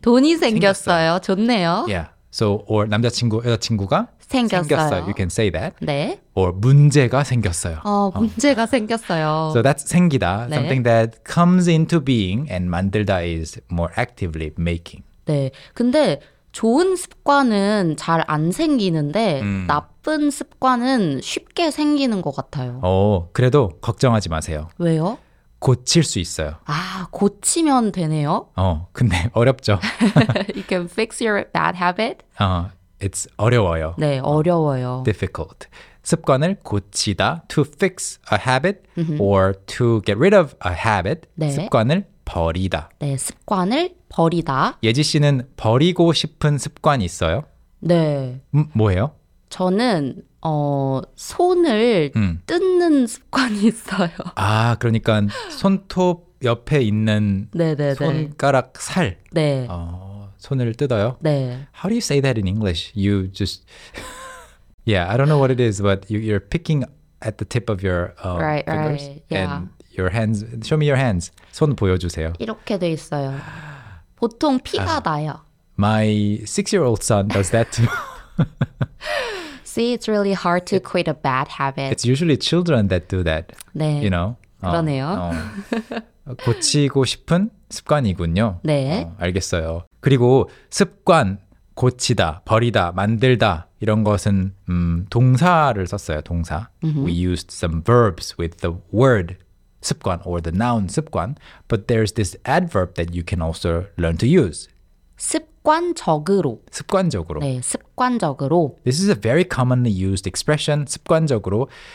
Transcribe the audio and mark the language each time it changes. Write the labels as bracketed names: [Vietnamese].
[Korean] 돈이 생겼어요. 좋네요. [English] Yeah. So, or [Korean] 남자친구, 여자친구가 생겼어요. [English] You can say that. [Korean] 네. Or 문제가 생겼어요. 문제가 생겼어요. [English] So that's 생기다. [Korean] 네. [English] Something that comes into being and 만들다 is more actively making. [Korean] 네. 근데 좋은 습관은 잘 안 생기는데 나쁜 습관은 쉽게 생기는 것 같아요. 그래도 걱정하지 마세요. 왜요? 고칠 수 있어요. 아, 고치면 되네요? 근데 어렵죠. [English] You can fix your bad habit. It's [Korean] 어려워요. 네, 어려워요. [English] Difficult. [Korean] 습관을 고치다, [English] to fix a habit or to get rid of a habit. [Korean] 네. 습관을 버리다. 네, 습관을 버리다. 예지 씨는 버리고 싶은 습관 있어요? 네. 뭐예요? 저는 어 손을 뜯는 습관이 있어요. 아 그러니까 손톱 옆에 있는 네네네. 손가락 살. 네. 어 손을 뜯어요. 네. [English] How do you say that in English? You just yeah, I don't know what it is, but you're picking at the tip of your right, fingers right. Yeah. and your hands. Show me your hands. [Korean] 손 보여주세요. 이렇게 돼 있어요. 보통 피가 나요. [English] My six-year-old son does that too. See, it's really hard to quit a bad habit. It's usually children that do that. [Korean] 네. [English] You know? [Korean] 그러네요. 고치고 싶은 습관이군요. 네. 알겠어요. 그리고 습관, 고치다, 버리다, 만들다 이런 것은 동사를 썼어요, 동사. Mm-hmm. [English] We used some verbs with the word 습관 or the noun 습관. But there's this adverb that you can also learn to use. [Korean] 습관적으로. 습관적으로. 네, 습관적으로. [English] This is a very commonly used expression, 습관적으로.